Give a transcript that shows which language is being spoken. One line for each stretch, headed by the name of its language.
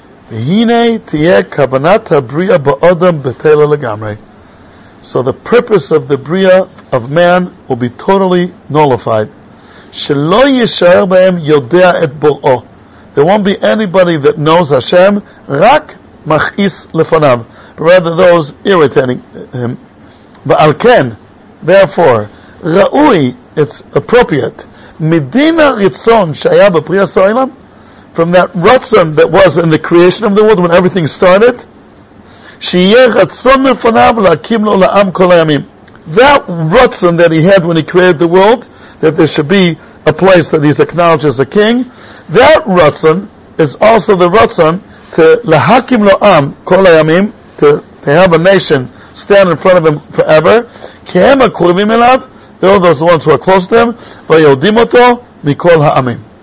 Hebrew: והנה תהיה כוונת הבריאה באדם בטלה לגמרי.
English: So the purpose of the bria of man will be totally nullified.
Hebrew: שלא יישאר בהם יודע את בוראו.
English: There won't be anybody that knows Hashem,
Hebrew: רק מכעיס לפניו.
English: Rather those irritating him.
Hebrew: ועל כן,
English: therefore,
Hebrew: ראוי,
English: it's appropriate,
Hebrew: מדין הרצון שהיה בפרי הסוילם,
English: from that
Hebrew: רצון
English: that was in the creation of the world when everything started,
Hebrew: שיהיה רצון מפניו להקים לו לעם כל הימים.
English: That רצון that he had when he created the world, that there should be a place that he's acknowledged as a king, that רצון is also the רצון to להקים לו עם כל הימים, to have a nation stand in front of him forever.
Hebrew: Kehem ha'kurvim elav,
English: they're all those ones who are close to him.
Hebrew: Vayodim oto mikol ha'amim.